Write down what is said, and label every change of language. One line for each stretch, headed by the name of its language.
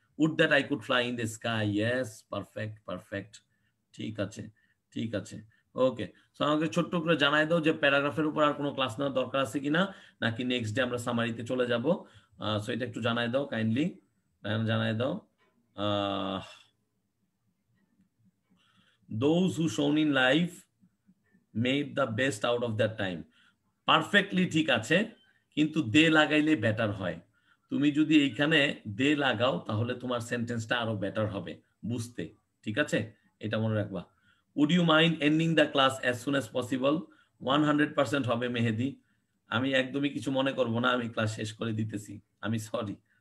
English: would that I could fly in the sky, yes, perfect perfect,
Bangla: ঠিক আছে ঠিক আছে,
English: Okay.
Bangla: সো আমাকে ছোট্ট করে জানাই দাও যে প্যারাগ্রাফের উপর আর কোনো ক্লাস নেওয়ার দরকার আছে কিনা, নাকি নেক্সট ডে আমরা সামারিতে চলে যাব, সো এটা একটু জানাই দাও কাইন্ডলি, জানাই দাও।
English: Those who shone in life made the best out of their time.
Bangla: Perfectly ঠিক আছে, কিন্তু দে লাগাইলে বেটার হয়। তুমি যদি এইখানে দে লাগাও তাহলে তোমার সেন্টেন্সটা আরো বেটার হবে বুঝতে, ঠিক আছে, এটা মনে রাখবা।
English: Would you mind ending the class as soon as possible?
Bangla: 100% হবে মেহেদি, আমি একদমই কিছু মনে করবো না, আমি ক্লাস শেষ করে দিতেছি, আমি সরি।